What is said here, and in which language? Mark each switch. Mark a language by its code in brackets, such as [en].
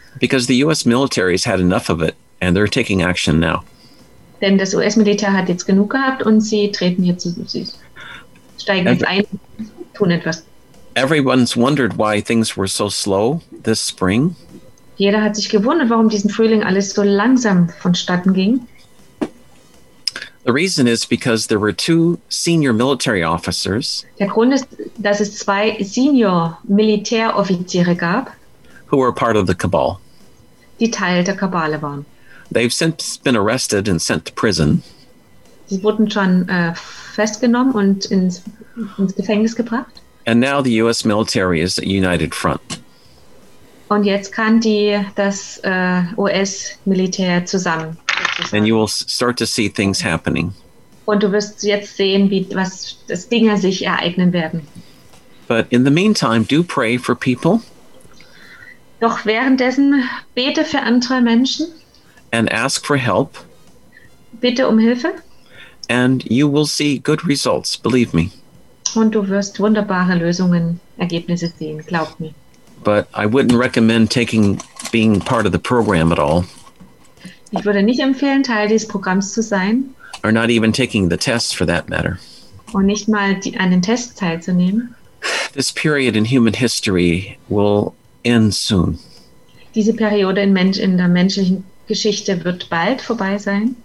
[en] Because the US military has had enough of it and they're taking action now. [de] Denn das US-Militär hat jetzt genug gehabt und sie treten jetzt, sie steigen jetzt ein, tun etwas. [en] Everyone's wondered why things were so slow this spring. [de] Jeder hat sich gewundert, warum diesen Frühling alles so langsam vonstatten ging. [en] The reason is because there were 2 senior military officers. [de] Der Grund ist, dass es 2 senior Militäroffiziere gab. [en] Who were part of the cabal. [de] Die Teil der Kabale waren. [en] They've since been arrested and sent to prison. [de] Sie wurden schon festgenommen und ins Gefängnis gebracht. [en] And now the US military is a united front. [de] Und jetzt kann das US Militär zusammen. [en] And you will start to see things happening. [de] Und du wirst jetzt sehen, wie was das Dinge sich ereignen werden. [en] But in the meantime, do pray for people. [de] Doch währenddessen bete für andere Menschen. [en] And ask for help. [de] Bitte um Hilfe. [en] And you will see good results, believe me. [de] Und du wirst wunderbare Lösungen, Ergebnisse sehen, glaub mir. [en] But I wouldn't recommend taking being part of the program at all. [de] Ich würde nicht empfehlen, Teil dieses Programms zu sein. [en] Or not even taking the test for that matter. [de] Und nicht mal einen Test teilzunehmen. [en] This period in human history will end soon. [de] Diese Periode in der menschlichen Geschichte wird bald vorbei sein.